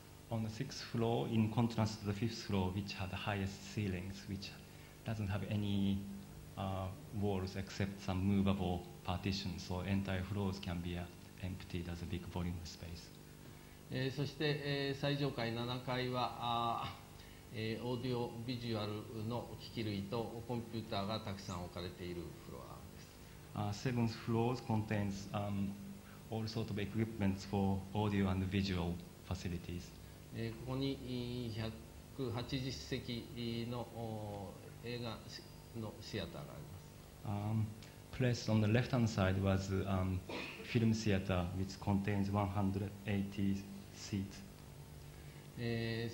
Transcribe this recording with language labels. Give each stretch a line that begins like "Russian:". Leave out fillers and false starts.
English: On the sixth floor, in contrast to the fifth floor, which had the highest ceilings, whichdoesn't have any walls except some movable partitions, so entire floors can be emptied as a big volume of space.
Japanese: そして、最上階7階は、オーディオビジュアルの機器類とコンピューターがたくさん置かれているフロアです。
English: Seventh floors contains all sorts of equipment for audio and visual facilities.
Japanese: ここに180席の映画のシアターがあります。
English: Placed on the left-hand side was a film theater which contains 180 seats.